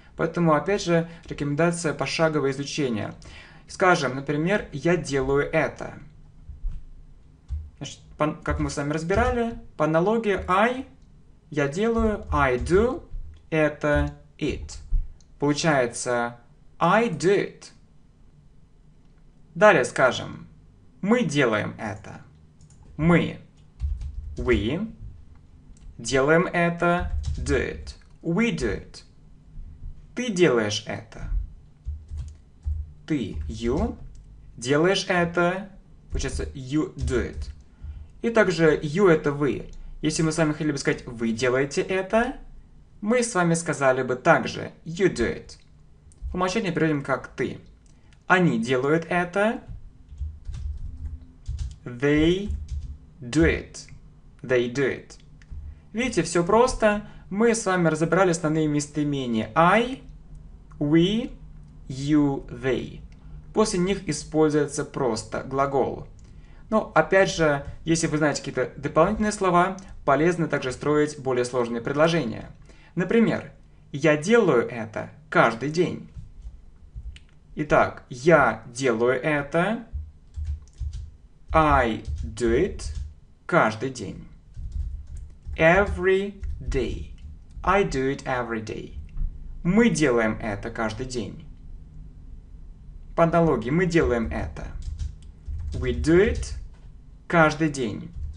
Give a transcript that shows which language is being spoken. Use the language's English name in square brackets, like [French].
[Russian] Поэтому, опять же, рекомендация пошагового изучения. Скажем, например, я делаю это. Значит, как мы с вами разбирали, по аналогии I, я делаю, [English] I do, [Russian] это it. [English] Получается, I do it. [Russian] Далее скажем, мы делаем это. [English] Мы, we, [Russian] делаем это, [English] do it, we do it. [Russian] Ты делаешь это. Ты, you, делаешь это. [English] Получается, you do it. [Russian] И также, you это вы. Если мы с вами хотели бы сказать, вы делаете это, мы с вами сказали бы также, [English] you do it. [Russian] По умолчанию переводим как ты. Они делают это. [English] They do it. They do it. [Russian] Видите, все просто. Мы с вами разобрали основные местоимения. [English] I, we, you, they. [Russian] После них используется просто глагол. Но, опять же, если вы знаете какие-то дополнительные слова, полезно также строить более сложные предложения. Например, Я делаю это каждый день. Итак, я делаю это. [English] I do it [Russian] каждый день. [English] Every day. I do it every day. [Russian] Мы делаем это каждый день. По аналогии, мы делаем это. [English] We do it [Russian] каждый день.